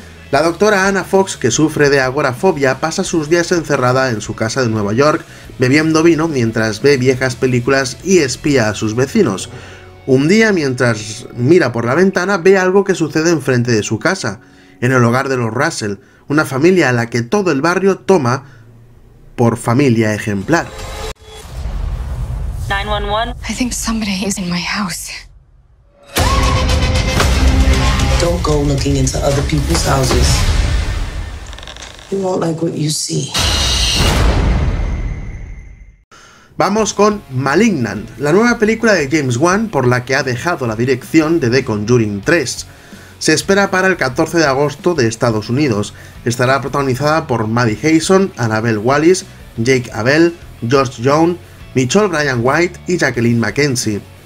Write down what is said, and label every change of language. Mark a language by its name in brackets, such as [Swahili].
[Spanish] La doctora Anna Fox, que sufre de agorafobia, pasa sus días encerrada en su casa de Nueva York, bebiendo vino mientras ve viejas películas y espía a sus vecinos. Un día, mientras mira por la ventana, ve algo que sucede enfrente de su casa, en el hogar de los Russell, una familia a la que todo el barrio toma por familia ejemplar. [English] 911. I think somebody is in my house. Don't go looking into other people's houses. You won't like what you see. [Spanish] Vamos con Malignant, la nueva película de James Wan por la que ha dejado la dirección de The Conjuring 3. Se espera para el 14 de agosto de Estados Unidos. Estará protagonizada por Maddie Hayson, Annabelle Wallis, Jake Abel, George Young, Michelle Brian White y Jacqueline McKenzie.